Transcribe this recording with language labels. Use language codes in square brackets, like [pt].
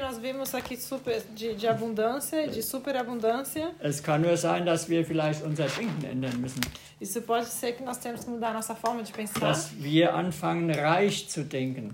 [pt] Nós vimos aqui super de abundância, de superabundância. [de] Es kann nur sein, dass wir vielleicht unser Denken ändern müssen. [pt] Isso pode ser que nós temos que mudar nossa forma de pensar. [de] Dass wir anfangen reich zu denken.